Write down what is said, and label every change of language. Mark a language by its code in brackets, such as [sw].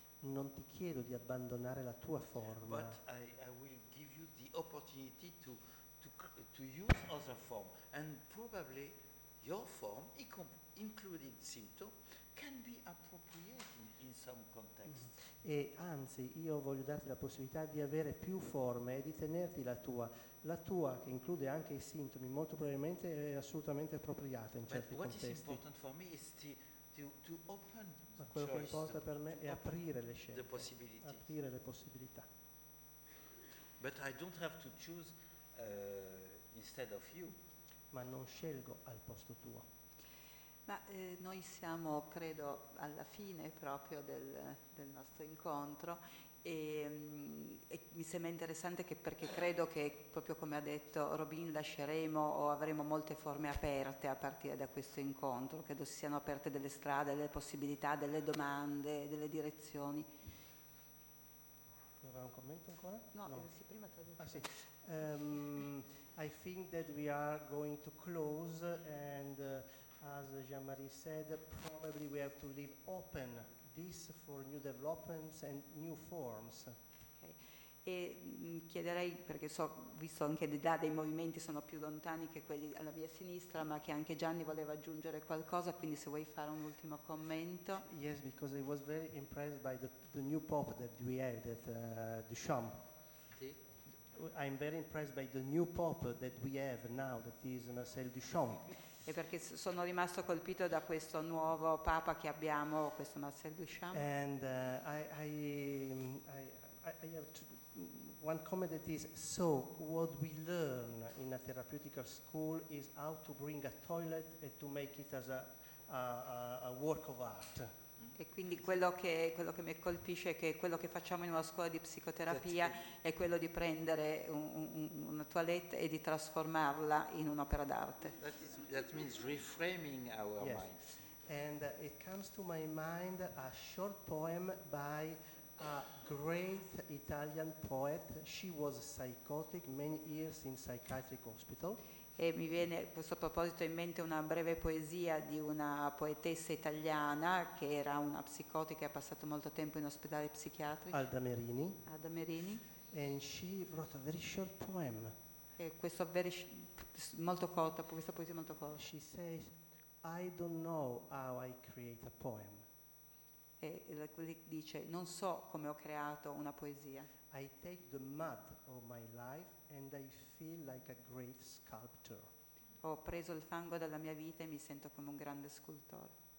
[it] Non ti chiedo di abbandonare la tua forma. [en] But I will give you the opportunity to use other form, and probably your form, including symptom, can be appropriate in some context. Mm. [it] E anzi, io voglio darti la possibilità di avere più forme e di tenerti la tua che include anche i sintomi, molto probabilmente è assolutamente appropriata in certi [en] what What is important for me is to open [it] ma quello [en] choice, [it] che importa per me è aprire le scelte, [en] the possibilities. [it] Aprire le possibilità. [en] But I don't have to choose instead of you. [it] Ma non scelgo al posto tuo. Ma noi siamo, credo, alla fine proprio del nostro incontro e mi sembra interessante perché credo che, proprio come ha detto Robin, lasceremo o avremo molte forme aperte a partire da questo incontro. Credo si siano aperte delle strade, delle possibilità, delle domande, delle direzioni. Avrà un commento ancora? No. Sì, prima traduzione. Ah, sì. [en] I think that we are going to close and as Jean-Marie said, probably we have to leave open this for new developments and new forms. Okay. [it] E chiederei, perché so, visto anche l'età dei movimenti sono più lontani che quelli alla mia sinistra, ma che anche Gianni voleva aggiungere qualcosa, quindi se vuoi fare un ultimo commento. [en] Yes, because I was very impressed by the new Pope that we have, that Duchamp. [it] Sì. [en] I'm very impressed by the new Pope that we have now, that is Marcel Duchamp. [it] E perché sono rimasto colpito da questo nuovo papa che abbiamo, questo Marcel Duchamp. [en] And I have one comment that is, so what we learn in a therapeutical school is how to bring a toilet and to make it as a work of art. [it] E quindi quello che mi colpisce è che quello che facciamo in una scuola di psicoterapia è quello di prendere una toilette e di trasformarla in un'opera d'arte. [en] That means reframing our yes. minds. And it comes to my mind a short poem by a great Italian poet. She was psychotic many years in psychiatric hospital. [it] E mi viene a questo proposito in mente una breve poesia di una poetessa italiana che era una psicotica e ha passato molto tempo in ospedale psichiatrico. [en] Alda Merini. And she wrote a very short poem. [it] E questo very molto corta, questa poesia molto corta. [en] She says, I don't know how I create a poem. [it] E dice, non so come ho creato una poesia. [en] I take the mud of my life and I feel like a great sculptor. [it] Ho preso il fango della mia vita e mi sento come un grande scultore.